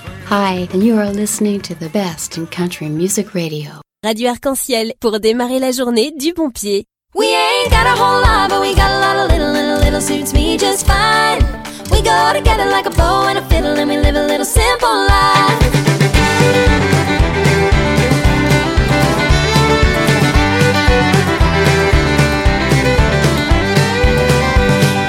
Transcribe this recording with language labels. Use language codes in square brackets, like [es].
[en] Hi, and you are listening to the best in country music radio. [fr] Radio Arc-en-Ciel, pour démarrer la journée du bon pied. [en] We ain't got a whole lot, but we got a lot of little, and a little suits me just fine. We go together like a bow and a fiddle, and we live a little simple life.